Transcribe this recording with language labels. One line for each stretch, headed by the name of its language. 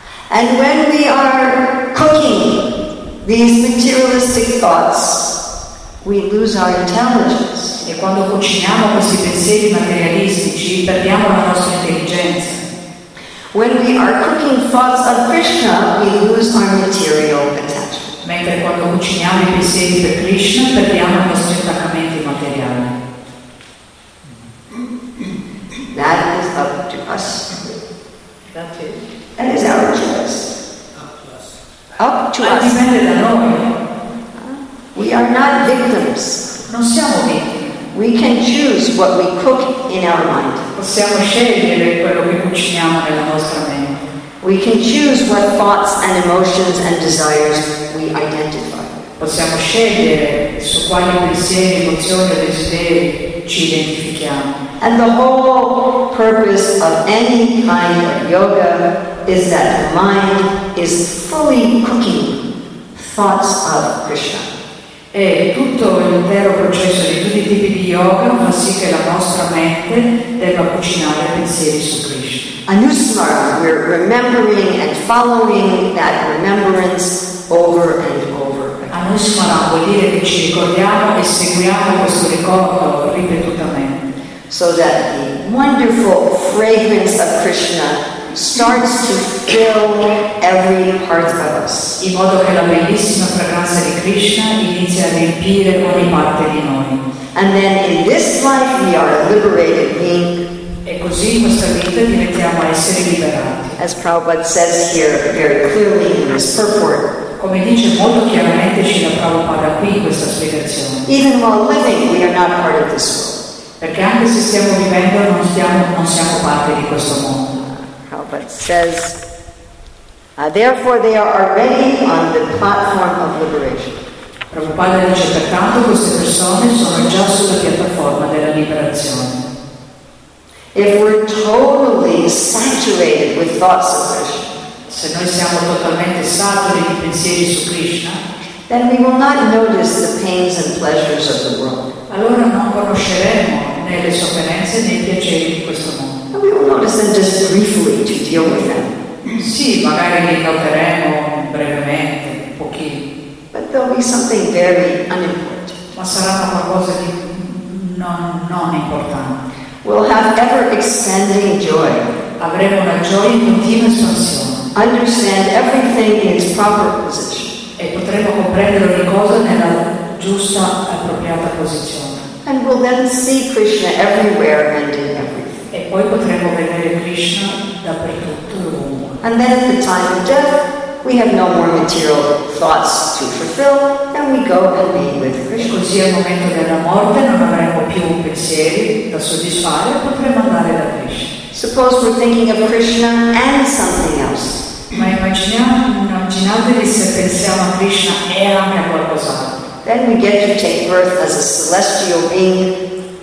English: And when we are cooking these materialistic thoughts, we lose our intelligence.
Italian: E quando cuciniamo questi pensieri materialistici, perdiamo la nostra intelligenza.
English: When we are cooking thoughts of Krishna, we lose our material attachment.
Italian: Mentre quando cuciniamo i pensieri per Krishna, perdiamo i nostri attaccamenti materiali.
English: That is up to us. That is our choice. Up to us.
Italian: Dipende da noi.
English: We are not victims.
Italian: Non siamo vittime.
English: We can choose what we cook in our mind.
Italian: Possiamo scegliere quello che cuciniamo nella nostra mente.
English: We can choose what thoughts and emotions and desires we identify.
Italian: Possiamo scegliere su quali pensieri, emozioni e desideri ci identifichiamo.
English: And the whole purpose of any kind of yoga is that the mind is fully cooking thoughts of Krishna.
Italian: E tutto l'intero processo di tutti i tipi di yoga fa sì che la nostra mente debba cucinare pensieri su Krishna.
English: Anusmara, we're remembering and following that remembrance over and over again.
Italian: Anusmara vuol dire che ci ricordiamo e seguiamo questo ricordo ripetutamente.
English: So that the wonderful fragrance of Krishna starts to fill every part of us.
Italian: In modo che la bellissima fragranza di Krishna inizia a riempire ogni parte di noi.
English: And then in this life we are a liberated being.
Italian: E così in questa vita diventiamo esseri liberati.
English: As Prabhupada says here very clearly in this purport.
Italian: Come dice molto chiaramente Srila Prabhupada qui in questa spiegazione.
English: Even while living, we are not part of this world.
Italian: Perché anche se stiamo vivendo, non siamo parte di questo mondo.
English: Prabhupada says, therefore they are already on the platform of liberation.
Italian: Prabhupada dice, pertanto queste persone sono già sulla piattaforma della liberazione.
English: If we're totally saturated with thoughts of Krishna,
Italian: se noi siamo totalmente saturi di pensieri su Krishna,
English: then we will not notice the pains and pleasures of the world.
Italian: Allora non conosceremo né le sofferenze né i piaceri di questo mondo.
English: And we will notice them just briefly to deal with them.
Italian: Sì, magari li noteremo brevemente, pochino.
English: But there'll be something very unimportant.
Italian: Ma sarà qualcosa di non importante.
English: We'll have ever extending joy.
Italian: Avremo una gioia in continua espansione.
English: Understand everything in its proper position.
Italian: E potremo comprendere ogni cosa nella giusta appropriata posizione.
English: And we'll then see Krishna everywhere and in everything.
Italian: E poi potremo vedere Krishna dappertutto.
English: And then at the time of death, we have no more material thoughts to fulfill, and we go and be with Krishna.
Italian: E così al momento della morte non avremo più pensieri da soddisfare, potremo andare da Krishna.
English: Suppose we're thinking of Krishna and something else.
Italian: Ma immaginatevi se pensiamo a Krishna e anche a qualcos'altro.
English: Then we get to take birth as a celestial being.